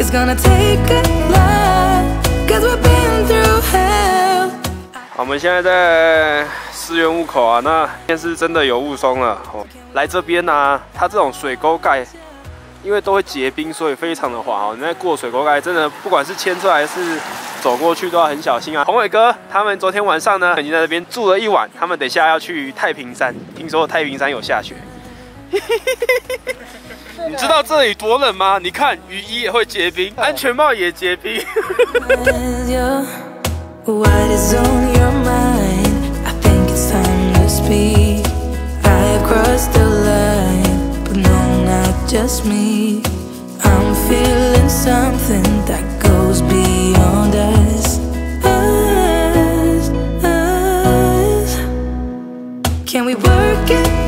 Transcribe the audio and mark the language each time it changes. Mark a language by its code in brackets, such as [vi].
[en] It's gonna take a life, cause we've been through hell. [zh] 我们现在在。四元雾口啊，那今天是真的有雾凇了、哦、来这边啊，它这种水沟盖因为都会结冰，所以非常的滑、哦、你在过水沟盖真的不管是牵出来还是走过去都要很小心啊。红伟哥他们昨天晚上呢已经在这边住了一晚，他们等下要去太平山，听说太平山有下雪。你知道这里多冷吗？你看雨衣也会结冰，安全帽也结冰。 [en] What is on your mind? I crossed the line, but no, not just me. I'm feeling something that goes beyond us. Us, us. Can we work it?